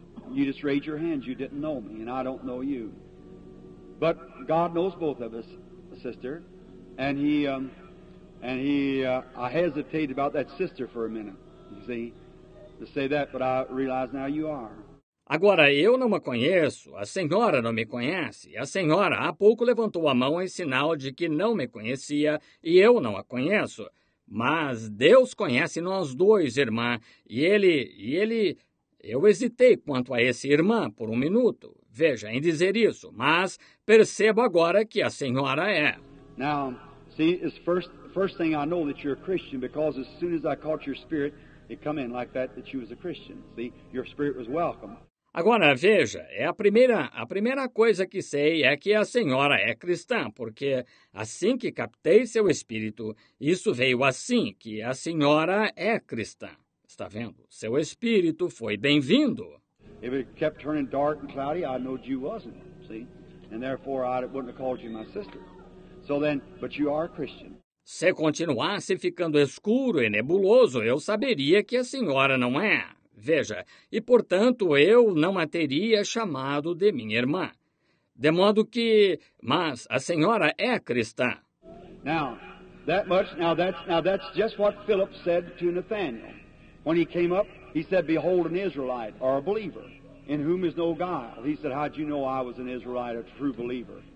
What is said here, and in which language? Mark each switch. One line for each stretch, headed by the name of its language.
English: You just raised your hands. You didn't know me, and I don't know you. But God knows both of us, sister. And I hesitated about that sister for a minute, you see, to say that, but I realize now you are.
Portuguese: Agora, eu não a conheço, a senhora não me conhece. A senhora há pouco levantou a mão em sinal de que não me conhecia e eu não a conheço. Mas Deus conhece nós dois, irmã, e ele... Eu hesitei quanto a esse irmã por um minuto, veja, em dizer isso, mas percebo agora que a senhora é.
English: Now, see, it's first thing I know that you're a Christian, because as soon as I caught your spirit, it come in like that you was a Christian. See, your spirit was welcome.
Portuguese: Agora, veja, é a primeira coisa que sei é que a senhora é cristã, porque assim que captei seu espírito, isso veio assim, que a senhora é cristã. Está vendo? Seu espírito foi bem-vindo.
English: If it kept turning dark and cloudy, I knew you wasn't, see? And therefore, I wouldn't have called you my sister. So then, but you are a Christian.
Portuguese: Se continuasse ficando escuro e nebuloso, eu saberia que a senhora não é. Veja, e portanto eu não a teria chamado de minha irmã. De modo que, mas a senhora é cristã.
English: Now that's just what Philip said to Nathanael. When he came up, he said, behold an Israelite, or a believer, in whom is no guile. He said, how do you know I was an Israelite, a true believer?